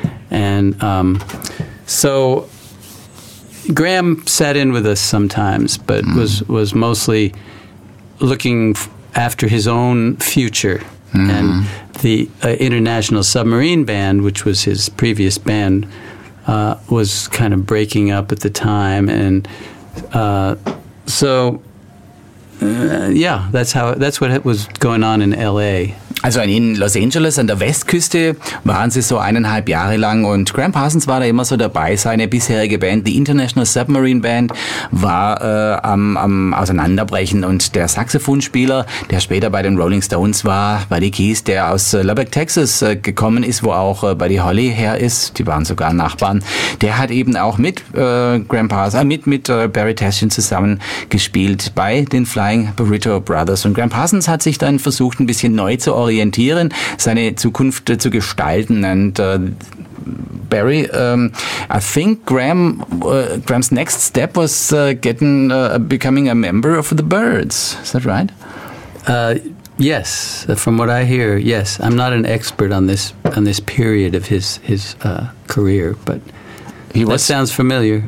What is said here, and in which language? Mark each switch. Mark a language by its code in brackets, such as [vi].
[en] And so Graham sat in with us sometimes, but was mostly looking after his own future. Mm-hmm. And the International Submarine Band, which was his previous band, was kind of breaking up at the time. And that's what was going on in L.A. [de] Also in Los Angeles an der Westküste waren sie so eineinhalb Jahre lang und Graham Parsons war da immer so dabei. Seine bisherige Band, die International Submarine Band, war am Auseinanderbrechen und der Saxophonspieler, der später bei den Rolling Stones war, Buddy Keys, der aus Lubbock, Texas gekommen ist, wo auch Buddy Holly her ist, die waren sogar Nachbarn, der hat eben auch mit Graham Parsons, Barry Tashin zusammen gespielt bei den Flying Burrito Brothers und Graham Parsons hat sich dann versucht, ein bisschen neu zu orientieren, seine Zukunft zu gestalten. [en] And Barry, I think Graham's next step was becoming a member of the Birds. Is that right? Yes, from what I hear, yes. I'm not an expert on this period of his career, but he was, that sounds familiar.